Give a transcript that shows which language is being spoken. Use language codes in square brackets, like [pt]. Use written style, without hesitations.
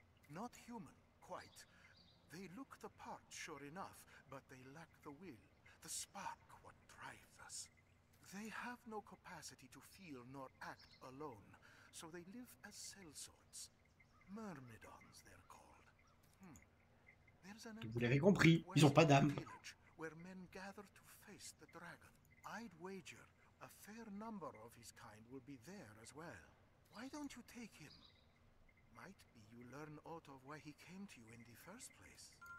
[en] Not human, quite. They look the part, sure enough, but they lack the will, the spark, what drives us. They have no capacity to feel nor act alone, so they live as cell sorts. Myrmidons, they're called. There's an [fr] Vous l'avez compris, ils ont pas d'âme. [en] Where men gather to face the dragon. I'd wager. A fair number of his kind will be there as well. Why don't you take him? Might be you learn aught of why he came to you in the first place.